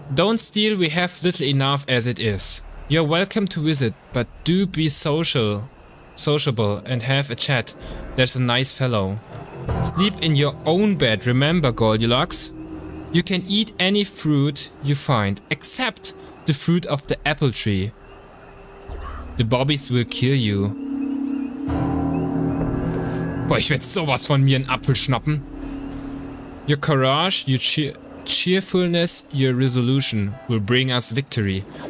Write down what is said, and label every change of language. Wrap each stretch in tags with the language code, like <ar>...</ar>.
<en>Don't steal, we have little enough as it is. You're welcome to visit, but do be sociable and have a chat. There's a nice fellow. Sleep in your own bed, remember Goldilocks? You can eat any fruit you find, except the fruit of the apple tree. The bobbies will kill you.</en> <de>Boah, ich werde sowas von mir einen Apfel schnappen.</de> <en>Your courage, your cheerfulness, your resolution will bring us victory.</en>